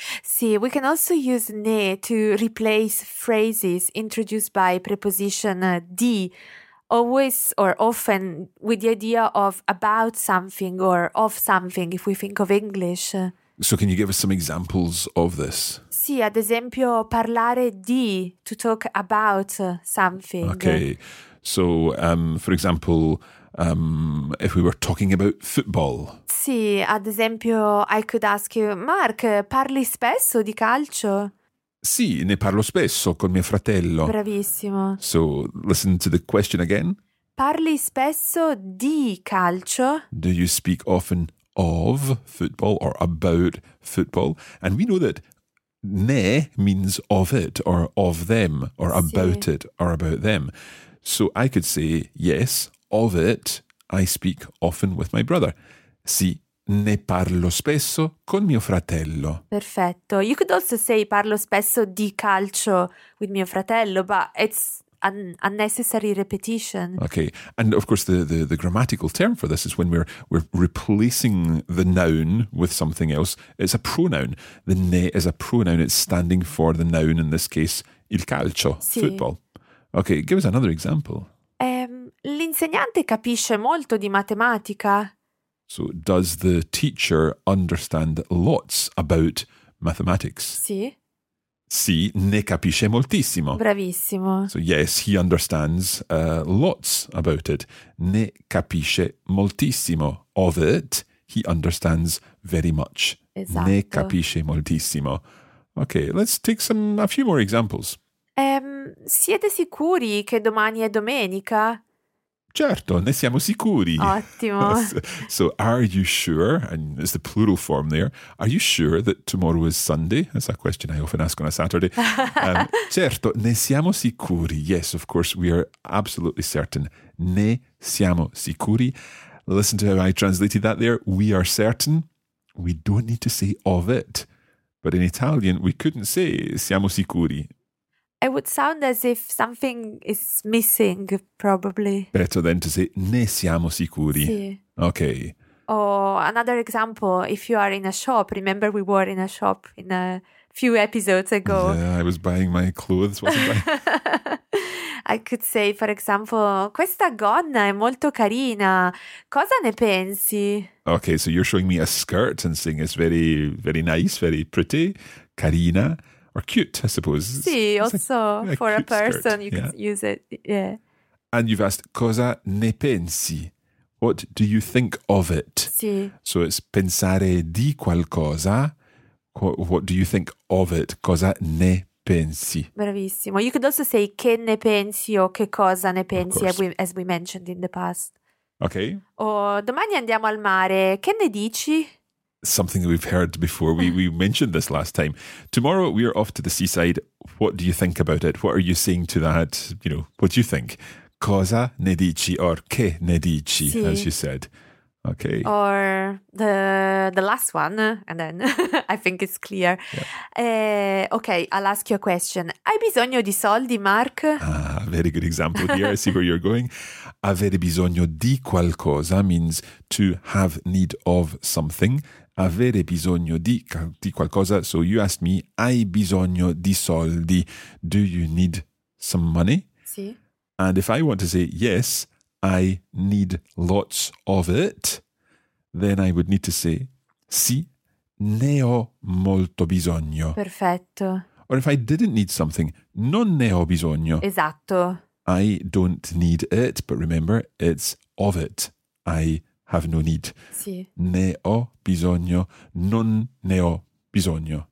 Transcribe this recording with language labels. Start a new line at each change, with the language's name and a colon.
English: See, we can also use ne to replace phrases introduced by preposition di, always or often with the idea of about something or of something, if we think of English. So can you give us some examples of this?
Italian: Sì, ad esempio, parlare di,
English: to talk about something. Okay, so for example, if we were talking about football.
Italian: Sì, ad esempio,
English: I could ask you,
Italian: Mark, parli spesso di calcio? Sì, ne parlo spesso con mio fratello. Bravissimo.
English: So listen to the question again.
Italian: Parli spesso di calcio?
English: Do you speak often of football or about football? And we know that ne means of it or of them or about it or about them. So I could say, yes, of it, I speak often with my brother.
Italian: Sì, ne parlo spesso con mio fratello.
English: Perfetto. You could also say
Italian: parlo spesso di calcio
English: with
Italian: mio fratello,
English: but it's an unnecessary repetition. Okay. And of course, the grammatical term for this is when we're replacing the noun with something else. It's a pronoun. The ne is a pronoun. It's standing for the noun, in this case, il calcio, football. Okay, give us another example.
Italian: L'insegnante capisce molto di matematica.
English: So, does the teacher understand lots about mathematics?
Italian: Sì. Sì, ne capisce moltissimo. Bravissimo.
English: So, yes, he understands lots about it.
Italian: Ne capisce moltissimo
English: of it. He understands very much.
Italian: Esatto. Ne capisce moltissimo.
English: Okay, let's take a few more examples.
Italian: Siete sicuri che domani è domenica? Certo, ne siamo sicuri. Ottimo.
English: So, are you sure, and it's the plural form there, are you sure that tomorrow is Sunday? That's a question I often ask on a Saturday.
Italian: certo, ne siamo sicuri.
English: Yes, of course, we are absolutely certain.
Italian: Ne siamo sicuri.
English: Listen to how I translated that there. We are certain. We don't need to say of it. But in Italian, we couldn't say
Italian: siamo sicuri.
English: It would sound as if something is missing, probably. Better than to say,
Italian: ne siamo sicuri. Sì.
English: Okay. Or another example, if you are in a shop, remember we were in a shop in a few episodes ago. Yeah, I was buying my clothes, wasn't I? I could say, for example,
Italian: questa gonna è molto carina. Cosa ne pensi?
English: Okay, so you're showing me a skirt and saying it's very, very nice, very pretty, carina. Or cute, I suppose. Sì, also for a person, you can use it, yeah. And you've asked,
Italian: cosa ne pensi?
English: What do you think of it?
Italian: Sì.
English: So it's
Italian: pensare di qualcosa.
English: What do you think of it?
Italian: Cosa ne pensi? Bravissimo.
English: You could also say,
Italian: che ne pensi o che cosa ne pensi,
English: as we mentioned in the past. Okay.
Italian: Or, domani andiamo al mare, che ne dici?
English: Something that we've heard before. We mentioned this last time. Tomorrow we are off to the seaside. What do you think about it? What are you saying to that? You know, what do you think?
Italian: Cosa ne dici or che ne dici, sì,
English: as you said. Okay. Or the last one, and then I think it's clear. Yeah. Okay, I'll ask you a question.
Italian: Hai bisogno di soldi, Mark?
English: Ah, very good example here. I see where you're going.
Italian: Avere bisogno di qualcosa
English: means to have need of something.
Italian: Avere bisogno di qualcosa.
English: So you asked me,
Italian: hai bisogno di soldi?
English: Do you need some money?
Italian: Sì.
English: And if I want to say yes, I need lots of it, then I would need to say,
Italian: sì, ne ho molto bisogno. Perfetto.
English: Or if I didn't need something,
Italian: non ne ho bisogno. Esatto.
English: I don't need it, but remember, it's of it. I have no need.
Italian: Sì. Ne ho bisogno, non ne ho bisogno.